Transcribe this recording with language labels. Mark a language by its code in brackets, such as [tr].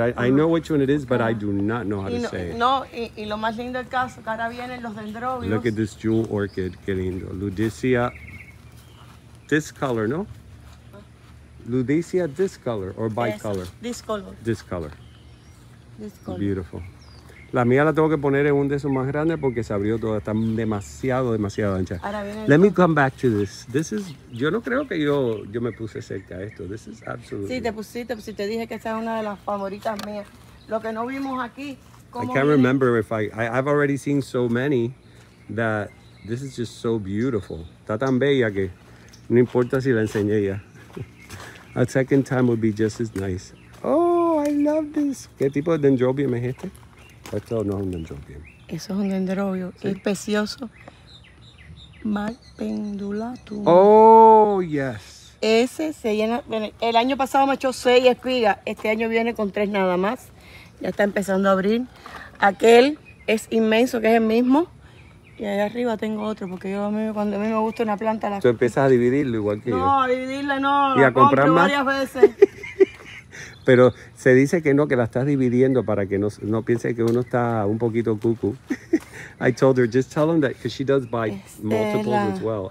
[en] I know which one it is, but I do not know how to say it. [es] No, y lo más lindo del caso, que ahora vienen los dendrobios. [en] Look at this jewel orchid. [es] Qué lindo. [en] Ludicia. This color, no? Ludicia, this color or bicolor? This color. Beautiful. [es] La mía la tengo que poner en un de esos más grandes porque se abrió toda. Está demasiado ancha. [en] Let me come back to this. This is, [es] yo no creo que yo me puse cerca a esto. [en] This is absolutely. [es] Sí, te dije que esta es una de las favoritas mías. Lo que no vimos aquí. [en] I can't remember if I've already seen so many that this is just so beautiful. [es] Está tan bella que no importa si la enseñé ya. [en] A second time would be just as nice. Oh, I love this. [es] ¿Qué tipo de dendrobium es este? Esto no es un dendrobium. Eso es un dendrobio. Sí. Es precioso. Mal pendulatum. [en] Oh, yes. [es] Ese se llena. El año pasado me echó 6 espigas. Este año viene con 3 nada más. Ya está empezando a abrir. Aquel es inmenso, que es el mismo. Y ahí arriba tengo otro, porque cuando a mí me gusta una planta, la. Tú empiezas a dividirlo igual que no, yo. No, a dividirla no. Y a comprar más. Varias veces. Pero se dice que no, que la estás dividiendo para que no piense que uno está un poquito cucu. [en] I told her, just tell them that, because she does buy multiples as well.